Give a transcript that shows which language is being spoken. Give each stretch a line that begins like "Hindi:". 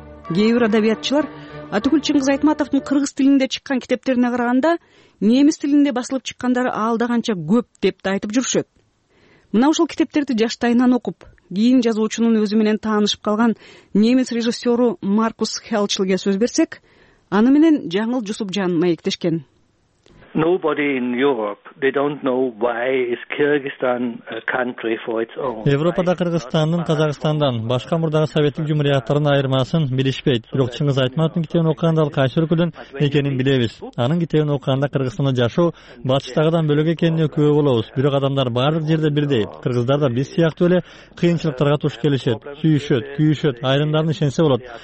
Kyrgyz: Кээ бир адабиятчылар атүгүл Чыңгыз Айтматовдун кыргыз тилинде чыккан китептерине караганда немис тилинде басылып чыккандары алдаганча көп деп да айтып жүрүшөт. Мына ушул китептерди жаштайынан окуп, кийин жазуучунун өзү менен таанышып калган немис режиссеру Маркус Хелчлге сөз берсек, аны менен Жаңыл Жусупжан маектешкен.
English: Nobody in Europe, they don't know why is Kyrgyzstan a country for its own.
Kyrgyz: Европада Кыргызстандын Казакстандан башка мурдагы Советтик Жумхуриятынын айырмасын билишпейт. Бирок Чыңгыз Айтматовдун китебин окуганда ал кайсы өлкөдөн экенин билебиз. Анын китебин окуганда Кыргызстанда жашоо батыштагыдан бөлөк экенине күбө болобуз. Бирок адамдар баардык жерде бирдей. Кыргыздар да биз сыяктуу эле кыйынчылыктарга туш келишет, сүйүшөт, күйүшөт, айрымдарын ишенсе болот.